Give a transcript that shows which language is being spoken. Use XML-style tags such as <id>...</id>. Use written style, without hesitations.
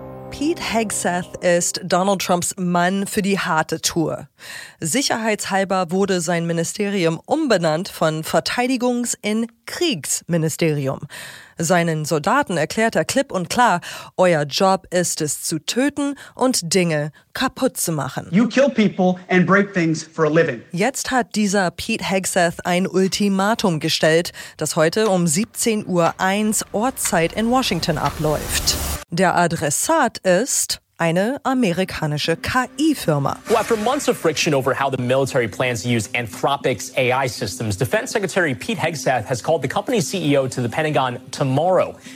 <de>Pete Hegseth ist Donald Trumps Mann für die harte Tour. Sicherheitshalber wurde sein Ministerium umbenannt von Verteidigungs- in Kriegsministerium. Seinen Soldaten erklärt er klipp und klar, euer Job ist es zu töten und Dinge kaputt zu machen.</de> <en>You kill people and break things for a living.</en> <de>Jetzt hat dieser Pete Hegseth ein Ultimatum gestellt, das heute um 17.01 Uhr Ortszeit in Washington abläuft. Der Adressat ist eine amerikanische KI-Firma.</de> <en>Well, after months of friction over how the military plans to use Anthropic's AI systems, Defense Secretary Pete Hegseth has called the company's CEO to the Pentagon tomorrow.</en>